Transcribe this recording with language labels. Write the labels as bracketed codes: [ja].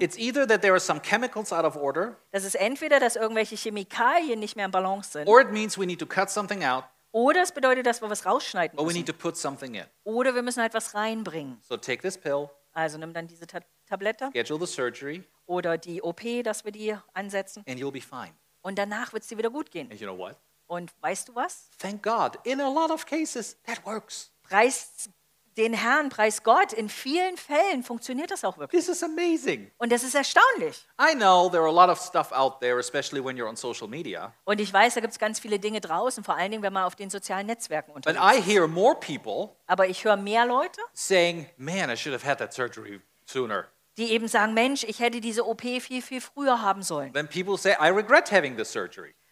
[en] It's either that there are some chemicals out of order. [de] Das ist entweder, dass irgendwelche Chemikalien nicht mehr im Balance sind. [en] Or it means we need to cut something out. [de] Oder es bedeutet, dass wir was rausschneiden müssen. [en] Or we need to put something in. [de] Oder wir müssen etwas reinbringen. [en] So take this pill. [de] Also nimm dann diese Tablette. [en] Schedule the surgery. [de] Oder die OP, dass wir die ansetzen. [en] And you'll be fine. [de] Und danach wird's dir wieder gut gehen. [en] And you know what? [de] Und weißt du was? [en] Thank God. In a lot of cases, that works. [de] Den Herrn, preis Gott, in vielen Fällen funktioniert das auch wirklich. [en] This is amazing. [de] Und das ist erstaunlich. [en] I know there are a lot of stuff out there, especially when you're on social media. [de] Und ich weiß, da gibt's ganz viele Dinge draußen, vor allen Dingen, wenn man auf den sozialen Netzwerken unterwegs ist. [en] But I hear more people. [de] Aber ich höre mehr Leute. [en] Saying, man, I should have had that surgery sooner. [de] Die eben sagen, Mensch, ich hätte diese OP viel, viel früher haben sollen. [en] When people say, I regret having the surgery.